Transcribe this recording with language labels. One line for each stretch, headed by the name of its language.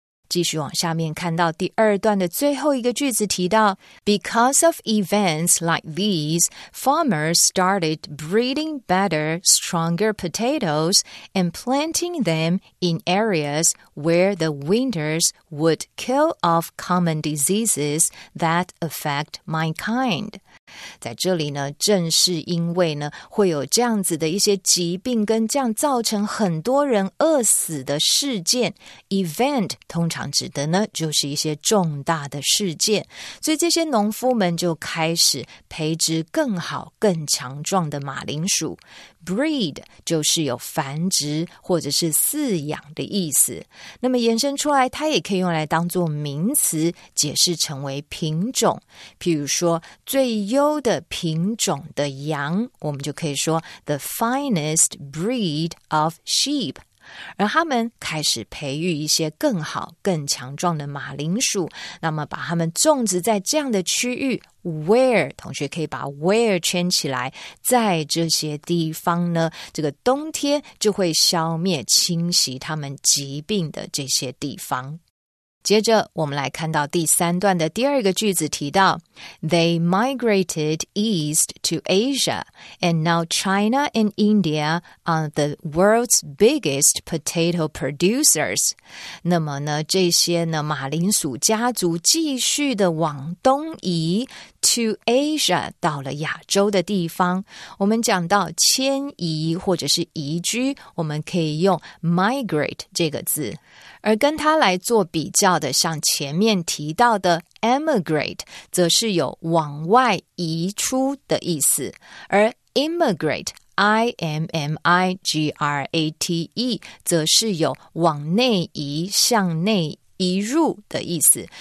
Chinese: 继续往下面看到第二段的最后一个句子提到
English: Because of events like these, farmers started breeding better, stronger potatoes and planting them in areas where the winters would kill off common diseases that affect my kind.
Chinese: 在这里呢，正是因为呢，会有这样子的一些疾病跟这样造成很多人饿死的事件。 Event 通常指的呢，就是一些重大的事件。所以这些农夫们就开始培植更好、更强壮的马铃薯。 Breed 就是有繁殖或者是饲养的意思。那么延伸出来，它也可以用来当作名词，解释成为品种。譬如说，最优的品种的羊，我们就可以说
English: the finest breed of sheep。
Chinese: 而他们开始培育一些更好、更强壮的马铃薯，那么把它们种植在这样的区域 where， 同学可以把 where 圈起来，在这些地方呢，这个冬天就会消灭、侵袭他们疾病的这些地方。接着我们来看到第三段的第二个句子提到
English: They migrated east to Asia, and now China and India are the world's biggest potato producers.
Chinese: 那么呢，这些呢，马铃薯家族继续的往东移
English: to Asia,
Chinese: 到了亚洲的地方。我们讲到迁移或者是移居，我们可以用 migrate 这个字。而跟它来做比较的，像前面提到的 emigrate， 则是有往外移出的意思，而 immigrate immigrate 则是有往内移、向内移入的意思。